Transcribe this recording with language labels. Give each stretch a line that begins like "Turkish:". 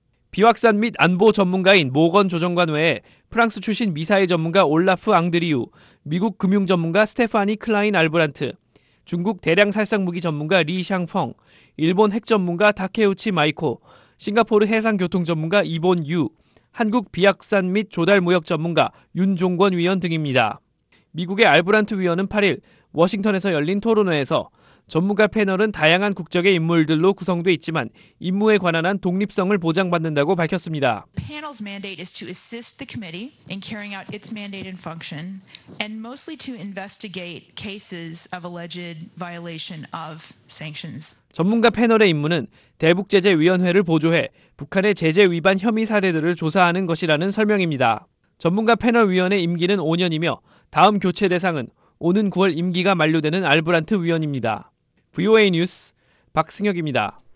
Korean: 비확산 및 안보 전문가인 모건 조정관 외에 프랑스 출신 미사일 전문가 올라프 앙드리우, 미국 금융 전문가 스테파니 클라인 알브란트, 중국 대량 살상무기 전문가 리 샹펑, 일본 핵 전문가 다케우치 마이코, 싱가포르 해상교통 전문가 이본 유, 한국 비약산 및 조달무역 전문가 윤종권 위원 등입니다. 미국의 알브란트 위원은 8일 워싱턴에서 열린 토론회에서 전문가 패널은 다양한 국적의 인물들로 구성돼 있지만 임무에 관한 한 독립성을 보장받는다고 밝혔습니다.
English: Panel's mandate is to assist the committee in carrying out its mandate and function and mostly to investigate cases of alleged violation of sanctions.
Korean: 전문가 패널의 임무는 대북제재위원회를 보조해 북한의 제재 위반 혐의 사례들을 조사하는 것이라는 설명입니다. 전문가 패널 위원의 임기는 5년이며 다음 교체 대상은 오는 9월 임기가 만료되는 알브란트 위원입니다. VOA 뉴스 박승혁입니다.